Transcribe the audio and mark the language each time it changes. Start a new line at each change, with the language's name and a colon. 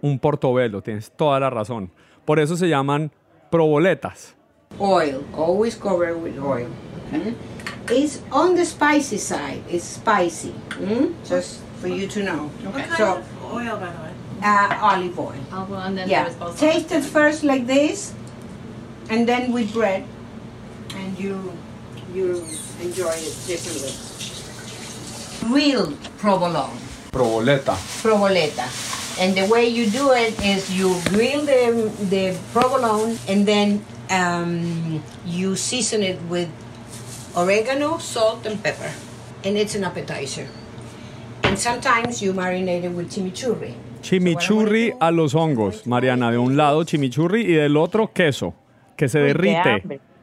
Spanish: Un portobelo, tienes toda la razón. Por eso se llaman provoletas.
English: Oil, always covered with oil. Mm-hmm. It's on the spicy side, it's spicy. Mm-hmm. Just for you to know. What kind of oil, by the way? Olive oil. Yeah. Taste it first like this, and then with bread, and you enjoy it differently. Real provolone. Provoleta. Provoleta. And the way you do it is you grill the provolone and then you season it with oregano, salt, and pepper. And it's an appetizer. And sometimes you marinate it with chimichurri.
Spanish: Chimichurri so a los hongos, Mariana. De un lado chimichurri y del otro queso, que se derrite.